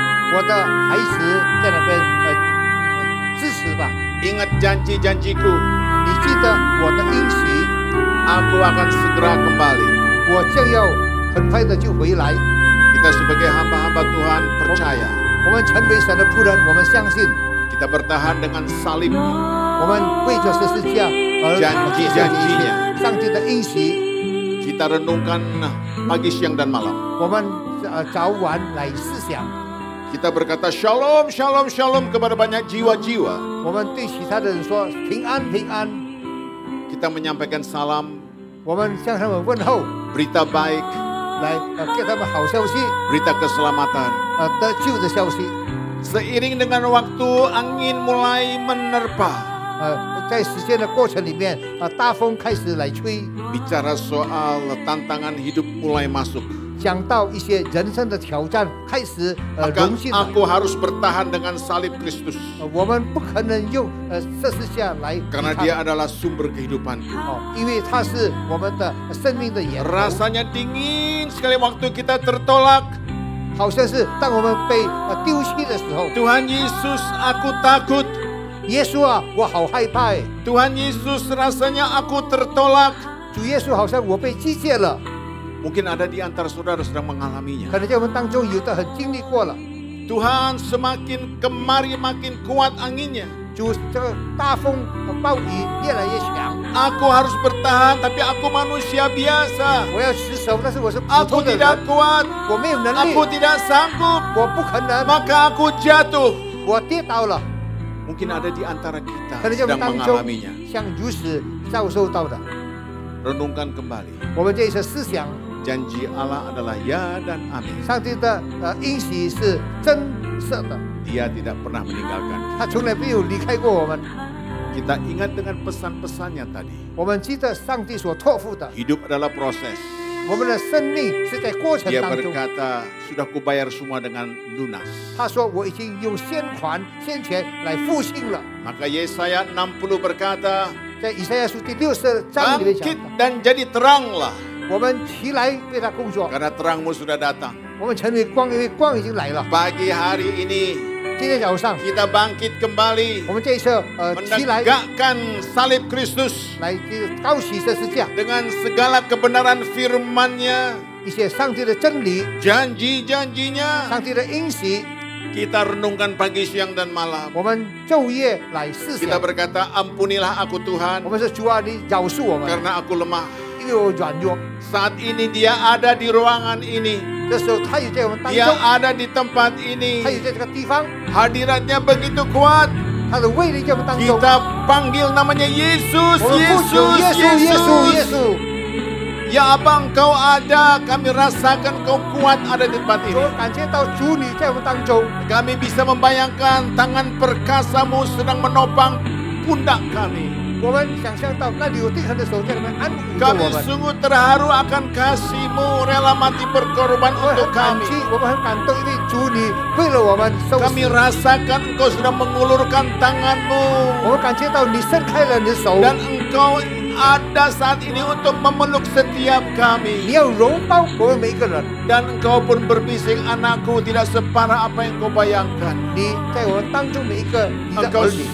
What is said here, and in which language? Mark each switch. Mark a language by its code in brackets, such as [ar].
[zh] 我的孩子在那边支持吧。 [id] Ingat janji-janjiku. [zh] 你记得我的应许。 [id] Aku akan segera kembali. [zh] 我将要很快的就回来。 [id] Kita sebagai hamba-hamba Tuhan percaya. [zh] 我们成为神的仆人，我们相信。 [id] Kita bertahan dengan salib. [zh] 我们为着十字架而战兢兢业。上帝的应许。 [id] Kita renungkan pagi, siang, dan malam. [zh] 我们早晚来思想。 [id] Kita berkata shalom, shalom, shalom kepada banyak jiwa-jiwa. [zh] 我们对其他的人说平安平安。 [id] Kita menyampaikan salam. [zh] 我们向他们问候。 [id] Berita baik. [zh] 来给他们好消息。 [id] Berita keselamatan. [zh] 得救的消息。 [id] Seiring dengan waktu angin mulai menerpa. [zh] 在时间的过程里面， 大风开始来吹。 [id] Bicara soal tantangan hidup mulai masuk. [zh] 讲到一些人生的挑战开始， [id] aku harus bertahan dengan salib Kristus. [zh] 我们不可能用 十字架来， [id] karena dia adalah sumber kehidupanku. [zh] 因为他是我们的生命的源头。 [id] Rasanya dingin sekali waktu kita tertolak. [zh] 好像是当我们被 丢弃的时候。 [id] Tuhan Yesus, aku takut. [zh] 耶稣啊，我好害怕。 [id] Tuhan Yesus, rasanya aku tertolak. [zh] 主耶稣，好像我被拒绝了。 [id] Mungkin ada di antara saudara sedang mengalaminya. Karena dia mentangjung yuta hendingi kuala. Tuhan, semakin kemari makin kuat anginnya. Justru tafung bauhi dia lah yang. Aku harus bertahan, tapi aku manusia biasa. [zh] 我要持守, 但是我是普通的人。 [id] Aku tidak kuat. [zh] 我没有能力。 [id] Aku tidak sanggup. [zh] 我不可能。 [id] Maka aku jatuh. [zh] 我跌倒了。 [id] Mungkin ada di antara kita sedang mengalaminya. [zh] 像如此遭受到的。 [id] Renungkan kembali. [zh] 我们这一次思想, [id] janji Allah adalah ya dan amin. [zh] 上帝的应许是真实的。 [id] Dia tidak pernah meninggalkan kita. [zh] 他从来没有离开过我们。 [id] Kita ingat dengan pesan-pesannya tadi. [zh] 我们记得上帝所托付的。 [id] Hidup adalah proses. [zh] 我们的生命是在过程当中。 [id] Dia berkata, sudah kubayar semua dengan lunas. [zh] 他说我已经用现款现钱来付清了。 [id] Maka Yesaya 60 berkata, [zh] 在以赛亚书第六十章里面讲的, [id] bangkit dan jadi teranglah. [zh] 我们起来为他工作, [id] karena terangmu sudah datang. [zh] 我们成为光, 因为光已经来了。 [id] Pagi hari ini, [zh] 今天早上, [id] kita bangkit kembali. [zh] 我们这一次, 起来, [id] menegakkan salib Kristus. [zh] 来高起十字架, [id] dengan segala kebenaran firman-Nya, [zh] 一些上帝的真理, [id] janji-janjinya, [zh] 上帝的应许, [id] kita renungkan pagi, siang, dan malam. [zh] 我们昼夜来思想。 [id] Kita berkata, ampunilah aku Tuhan. [zh] 我们说主啊，你饶恕我们。 [id] Karena aku lemah. [zh] 因为我软弱。 [id] Saat ini dia ada di ruangan ini. [zh] 这时候他也在我们当中。 [id] Dia ada di tempat ini. [zh] 他也在这个地方。 [id] Hadiratnya begitu kuat. [zh] 他的威力在我们当中。 [id] Kita panggil namanya Yesus, Yesus, Yesus, Yesus, Yesus. Ya Abang, kau ada, kami rasakan kau kuat ada di tempat ini. [zh] 感谢到主你在我们当中。 [id] Kami bisa membayangkan tangan perkasamu sedang menopang pundak kami. [zh] 我们想象到那里有钉痕的时候在那边安抚着我们。 [id] Kami sungguh terharu akan kasihmu, rela mati berkorban untuk kami. [zh] 我们很感动，因为主你为了我们受死。 [id] Kami rasakan kau sudah mengulurkan tanganmu. [zh] 我们感谢到你伸开了你的手。 [id] Dan engkau ada saat ini untuk memeluk setiap kami. [zh] 你要拥抱我们每一个人。 [id] Dan engkau pun berbisik, anakku, tidak separah apa yang kau bayangkan. [zh] 你在我们当中每一个你的儿女。